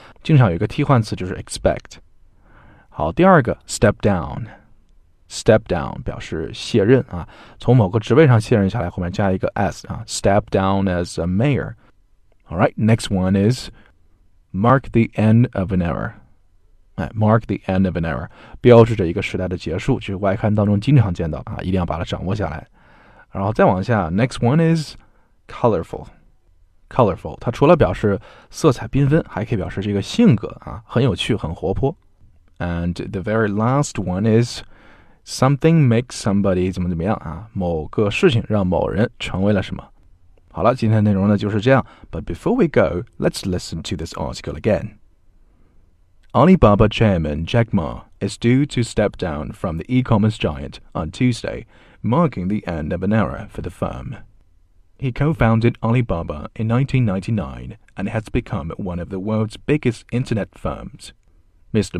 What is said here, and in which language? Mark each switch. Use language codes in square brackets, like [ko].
[zh] 经常有一个替换词就是 expect。好，第二个 step down 表示卸任啊，从某个职位上卸任下来，后面加一个 s 啊， [en] step down as a mayor。 alright, next one is mark the end of an era。 Mark the end of an era, [zh] 标志着一个时代的结束，就是外刊当中经常见到啊，一定要把它掌握下来。然后再往下 [en] ,next one is colorful。 [zh] Colorful, 它除了表示色彩缤纷，还可以表示这个性格啊，很有趣，很活泼。 [en] And the very last one is something makes somebody [zh] 怎么怎么样啊，某个事情让某人成为了什么。好了，今天的内容呢就是这样。 [en] But before we go, let's listen to this article again. Alibaba chairman Jack Ma is due to step down from the e-commerce giant on Tuesday, marking the end of an era for the firm. He co-founded Alibaba in 1999 and has become one of the world's biggest internet firms. Mr.